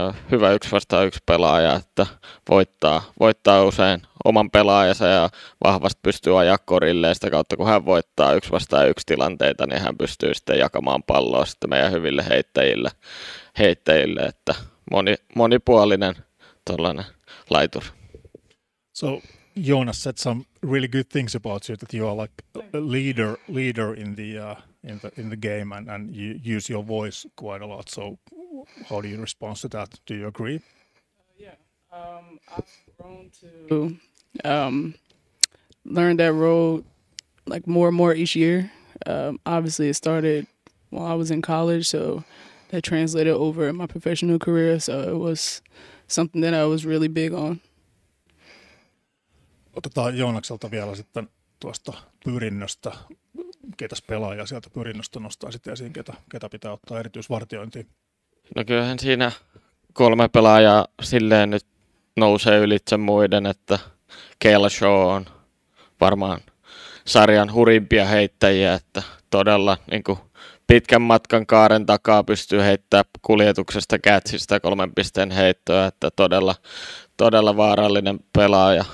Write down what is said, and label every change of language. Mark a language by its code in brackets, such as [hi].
[fi] Hyvä 1-1 pelaaja, että voittaa usein oman pelaajansa ja vahvasti pystyy ajaa korille, ja sitä kautta kun hän voittaa 1-1 tilanteita, niin hän pystyy sitten jakamaan palloa sitten meidän hyville heittäjille, että monipuolinen tuollainen laituri. [en] So Jonas said some really good things about you, that you are like a leader in the game and you use your voice quite a lot. So how do you respond to that? Do you agree? I've grown to learn that role like more and more each year. Obviously it started while I was in college, so that translated over in my professional career, so it was something that I was really big on. [fi] Otetaan Joonakselta vielä sitten tuosta pyrinnöstä, ketä pelaajia sieltä pyrinnöstä nostaa sitten esiin, ketä pitää ottaa erityisvartiointiin. No kyllähän siinä 3 pelaajaa silleen nyt nousee ylitse muiden, että Kelshaw on varmaan sarjan hurimpia heittäjiä, että todella niin kuin pitkän matkan kaaren takaa pystyy heittämään kuljetuksesta kätsistä 3 pisteen heittoa, että todella vaarallinen pelaaja.